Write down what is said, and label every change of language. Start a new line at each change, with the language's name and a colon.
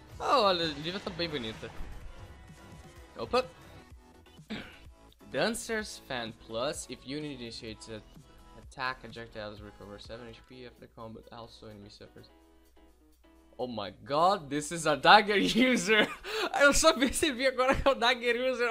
Portuguese: Oh, olha, a Lívia tá bem bonita. Opa! Dancers Fan Plus.
English: If unit initiates an attack, projectiles recover 7 HP after combat, also enemy suffers. Oh my god, this is a dagger user!
Portuguese: Eu só percebi agora que é o dagger user.